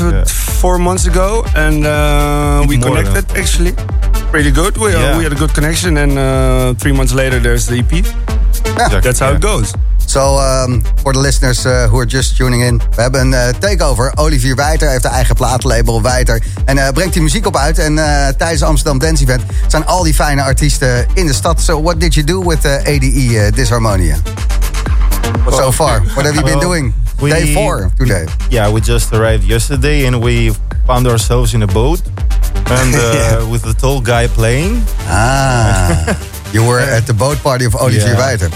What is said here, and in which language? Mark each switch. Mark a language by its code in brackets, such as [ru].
[en] Four months ago, and we connected actually pretty good. We had a good connection, and 3 months later, there's the EP. That's how it goes. So, for the listeners who are just tuning in, [nl] we hebben een takeover. Olivier Wijter heeft de eigen platenlabel Wijter. En brengt die muziek op uit. En tijdens Amsterdam Dance Event zijn al die fijne artiesten in de stad. [en] So, what did you do with ADE Disharmonia? So far, what have you been doing? Day four today. We just arrived yesterday and we found ourselves in a boat. And with the tall guy playing. You were at the boat party of Olivier Wijter.